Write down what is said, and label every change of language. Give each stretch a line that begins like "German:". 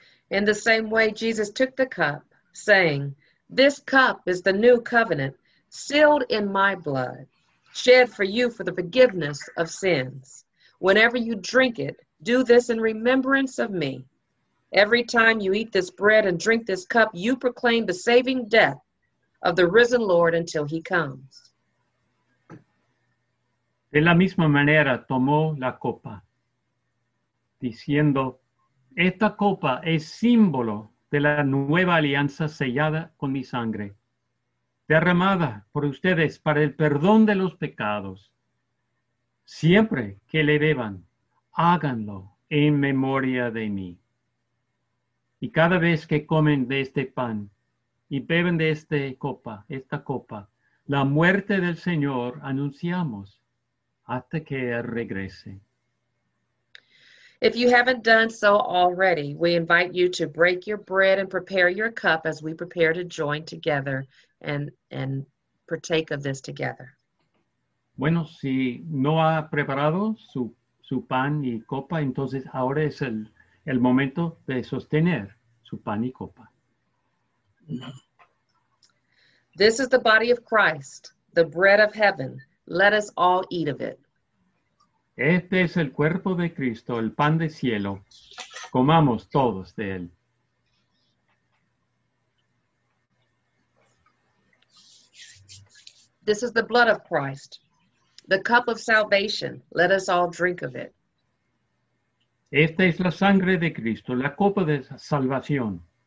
English: In the same way, Jesus took the cup, saying, "This cup is the new covenant, sealed in my blood, shed for you for the forgiveness of sins. Whenever you drink it, do this in remembrance of me. Every time you eat this bread and drink this cup, you proclaim the saving death of the risen Lord until he comes."
Spanish: De la misma manera tomó la copa, diciendo, "Esta copa es símbolo de la nueva alianza sellada con mi sangre, derramada por ustedes para el perdón de los pecados. Siempre que le beban, háganlo en memoria de mí." Y cada vez que comen de este pan y beben de esta copa, la muerte del Señor anunciamos hasta que él regrese.
English: If you haven't done so already, we invite you to break your bread and prepare your cup as we prepare to join together and partake of this together.
Spanish: Bueno, si no ha preparado su pan y copa, entonces ahora es el momento de sostener su pan y copa.
English: This is the body of Christ, the bread of heaven. Let us all eat of it.
Spanish: Este es el cuerpo de Cristo, el pan de cielo. Comamos todos de él.
English: This is the blood of Christ, the cup of salvation. Let us all drink of it.
Spanish: Esta es la sangre de Cristo, la copa de salvación.